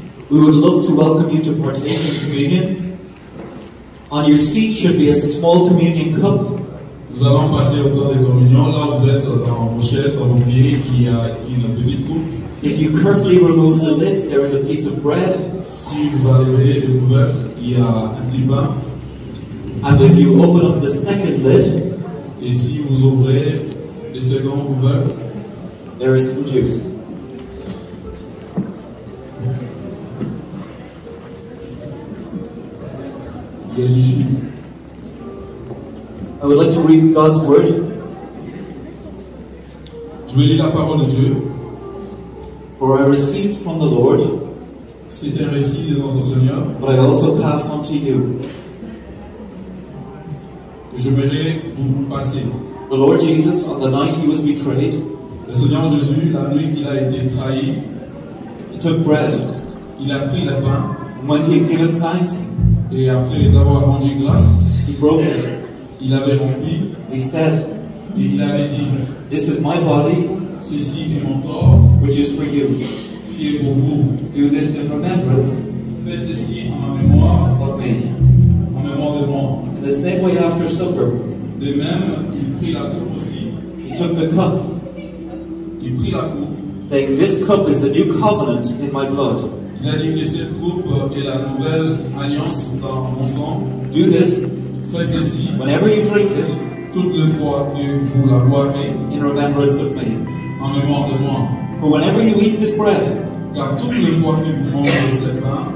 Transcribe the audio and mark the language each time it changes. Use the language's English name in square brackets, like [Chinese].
[English] we would love to welcome you to partake in communion. On your seat should be a small communion cup. [French] Nous allons passer au temps de communion. Là, vous êtes dans vos chaises, dans vos pieds, il y a une petite coupe. [English] If you carefully remove the lid, there is a piece of bread. [French] Si vous enlevez le couvercle, il y a un petit pain. [English] And if you open up the second lid, [French] et si vous ouvrez le second couvercle, [English] there is some juice. [French] Il y a du jus. [English] I would like to read God's word. [French] Je vais lire la parole de Dieu. [English] For I received from the Lord. [French] C'est un récit de notre Seigneur. [English] But I also passed on to you. [French] Je vais les vous passer. [English] The Lord Jesus, on the night he was betrayed. [French] Le Seigneur Jésus, la nuit qu'il a été trahi. [English] He took bread. [French] Il a pris le pain. [English] When he had given thanks. [French] Et après les avoir rendu grâce. [English] He broke it. [French] Il avait rompu. [English] He said. [French] Et il avait dit. [English] This is my body. [French] Ceci est mon corps. [English] Which is for you. [French] Qui est pour vous. [English] Do this in remembrance. [French] Faites ceci en ma mémoire. [English] Of me. [French] En mémoire de moi. [English] In the same way after supper. [French] De même, il prit la coupe aussi. [English] He took the cup. [French] Il prit la coupe. [English] Saying, this cup is the new covenant in my blood. [French] Il a dit que cette coupe est la nouvelle alliance dans mon sang. [English] Do this. [French] Faites ceci. [English] Whenever you drink it. [French] Toutes les fois que vous la boirez. [English] In remembrance of me. [French] En mémoire de moi. [English] But whenever you eat this bread. [French] Car toutes les fois que vous mangez ce pain.